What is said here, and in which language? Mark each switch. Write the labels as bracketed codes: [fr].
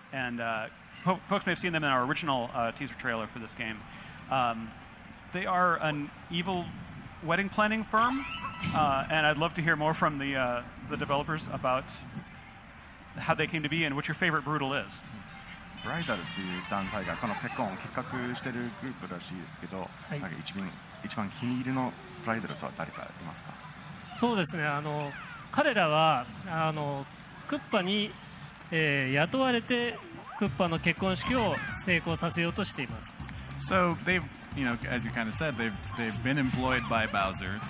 [en] And folks may have seen them in our original teaser trailer for this game. They are an evil wedding planning firm, and I'd love to hear more from the developers about how they came to be and what your favorite Brutal is. [ja] ブライダルズという団体がこのペコンを企画しているグループらしいですけど、はい、なんか一番気に入りのブライダルズは誰かいますか？そうですね、彼らはクッパに、雇われてクッパの結婚式を成功させようとしています。 [en] So they've you know, as you kind of said, they've been employed by Bowser.